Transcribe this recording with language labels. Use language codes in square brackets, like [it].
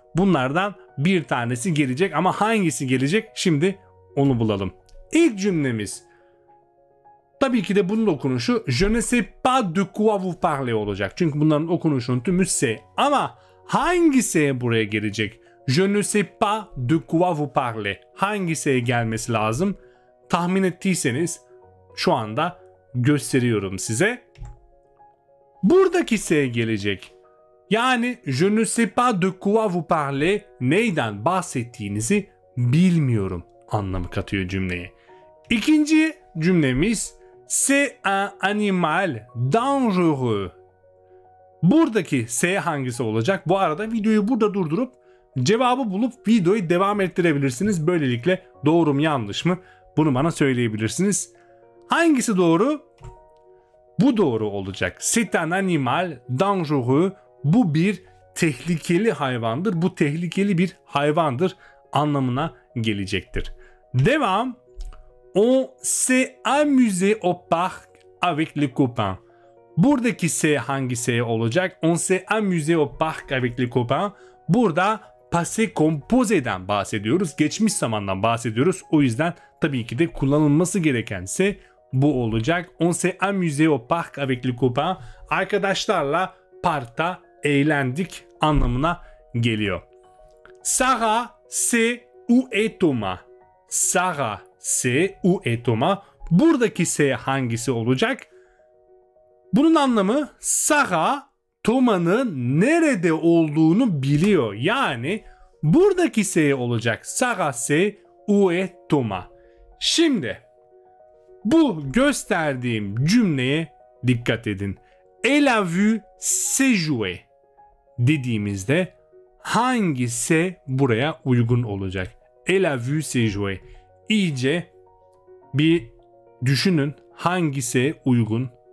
[tr] Bunlardan bir tanesi gelecek ama hangisi gelecek? Şimdi onu bulalım. İlk cümlemiz tabii ki de bunun okunuşu [fr] je ne sais pas de quoi vous parlez [tr] olacak. Çünkü bunların okunuşunun tümü S. Ama hangi S buraya gelecek? [fr] Je ne sais pas de quoi vous parlez. [tr] Hangi S'ye gelmesi lazım? Tahmin ettiyseniz şu anda gösteriyorum size. Buradaki S gelecek. Yani [fr] je ne sais pas de quoi vous parlez, [tr] neyden bahsettiğinizi bilmiyorum anlamı katıyor cümleye. İkinci cümlemiz [fr] c'est un animal dangereux. [tr] Buradaki S hangisi olacak? Bu arada videoyu burada durdurup cevabı bulup videoyu devam ettirebilirsiniz. Böylelikle doğru mu yanlış mı bunu bana söyleyebilirsiniz. Hangisi doğru? Bu doğru olacak. [fr] C'est un animal dangereux. [tr] Bu bir tehlikeli hayvandır. Bu tehlikeli bir hayvandır anlamına gelecektir. Devam. [fr] On s'est amusé au parc avec les copains. [tr] Buradaki s hangi s olacak? [fr] On s'est amusé au parc avec les copains. [tr] Burada passé composé'den bahsediyoruz. Geçmiş zamandan bahsediyoruz. O yüzden tabii ki de kullanılması gereken s bu olacak. [fr] On s'est amusé au parc avec les copains. [tr] Arkadaşlarla parkta eğlendik anlamına geliyor. [fr] Sarah, c'est où est Thomas? Sarah, c'est où est Thomas? [tr] Buradaki s hangisi olacak? Bunun anlamı Sarah Thomas'ın nerede olduğunu biliyor. Yani buradaki s olacak. [fr] Sarah, c'est où est Thomas? [tr] Şimdi bu gösterdiğim cümleye dikkat edin. [fr] Elle a vu ses jouets [tr] dediğimizde hangi S buraya uygun olacak? [fr] Elle a vu ses jouets. [tr] İyice bir düşünün hangi S uygun.